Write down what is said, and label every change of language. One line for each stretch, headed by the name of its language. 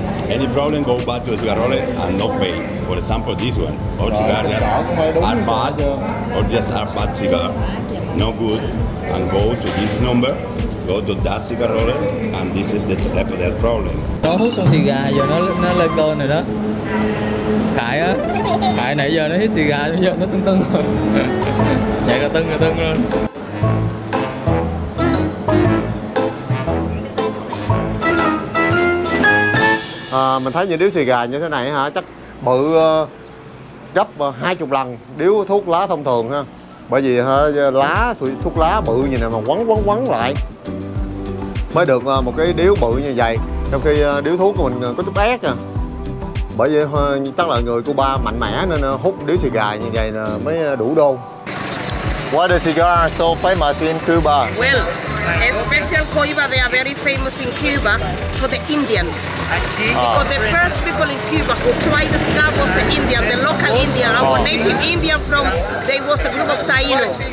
English: Any problem, go buy the cigar roller and not pay. For example, this one. All cigars are bad. Or just are bad cigar. No good. And go to this number, go to that cigar roller, and this is the type of that problem.
Vietnamese: Nó hút xong xì gà, giờ nó lên cơn rồi đó. Khải á, Khải nãy giờ nó hít xì gà, giờ nó tưng tưng rồi. Vậy là tưng rồi, tưng rồi. Mình thấy những điếu xì gà như thế này hả, chắc bự gấp 20 lần điếu thuốc lá thông thường ha. Bởi vì lá, thuốc lá bự như này mà quấn lại mới được một cái điếu bự như vậy, trong khi điếu thuốc của mình có chút ép à. Bởi vì chắc là người Cuba mạnh mẽ nên hút điếu xì gà như vậy mới đủ đô.
English: What is cigar so famous in Cuba? Well, especially Cuba, they are very famous in Cuba for the Indian. Because the first people in Cuba who tried the cigar was the Indian, the local Indian, our native Indian from, they was a group of Taino.